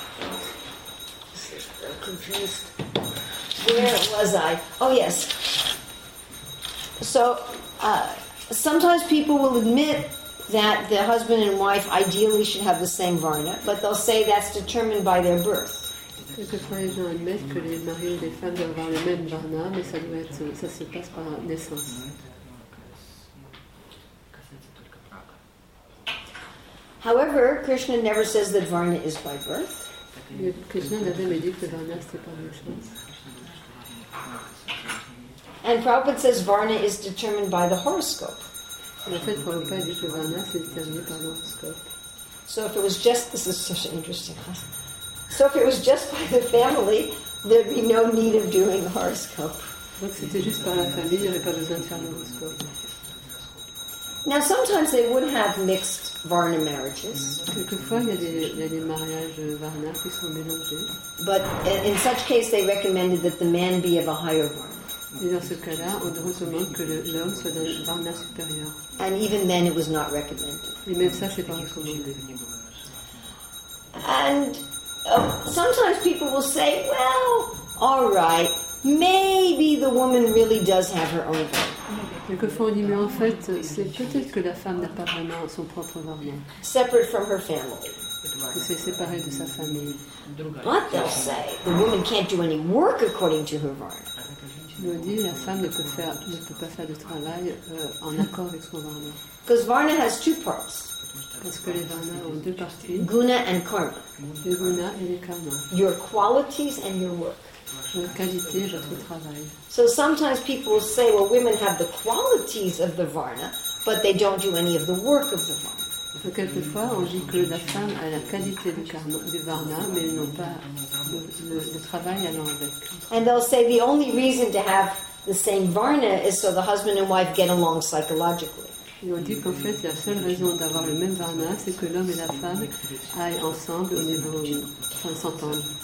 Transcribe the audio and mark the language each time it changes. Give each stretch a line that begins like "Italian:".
English: I'm confused. Where was I? Oh, yes. So, sometimes people will admit that the husband and wife ideally should have the same varna, but they'll say that's determined by their birth.
French: Quelquefois, les gens admettent que les maris et les femmes doivent avoir le même varna, mais ça, doit être, ça se passe par naissance.
English: However, Krishna never says that varna is by birth.
French: Mais Krishna n'a jamais dit que varna c'est par naissance.
English: And Prabhupada says varna is determined by the horoscope.
French: En fait, Prabhupada dit que varna c'est déterminé par l'horoscope.
English: So if it was just, this is such an interesting class. So if it was just by the family, there'd be no need of doing the horoscope.
French: Donc c'était juste par la famille, il n'y avait pas besoin de faire l'horoscope.
English: Now sometimes they would have mixed varna marriages.
French: Quelquefois il y a des mariages varna qui sont mélangés.
English: But in such case, they recommended that the man be of a higher varna.
French: Et dans ce cas-là, on recommande que l'homme soit d'un varna supérieur.
English: And even then, it was not recommended.
French: Et même ça, c'est pas recommandé.
English: And sometimes people will say, well, all right, maybe the woman really does have her own varna.
French: Quelquefois on dit, mais en fait, c'est peut-être que la femme n'a pas vraiment son propre varna.
English: Separate from her family.
French: Que c'est séparé de sa famille.
English: But they'll say, the woman can't do any work according to her varna.
French: Ils ont dit, la femme ne peut pas faire de travail en accord avec son varna.
English: Because varna has two parts.
French: Parce que les varna ont deux parties.
English: Guna and karma.
French: Le guna et le karma.
English: Your qualities and your work.
French: Qualité, votre travail.
English: So sometimes people say, well, women have the qualities of the varna, but they don't do any of the work of the varna.
French: Donc quelquefois, on dit que la femme a la qualité du varna, mais elles n'ont pas le travail allant avec.
English: And they'll say the only reason to have the same varna is so the husband and wife get along psychologically.
French: Ils ont dit qu'en fait, la seule raison d'avoir le même varna, c'est que l'homme et la femme aillent ensemble au niveau, enfin, s'entendre.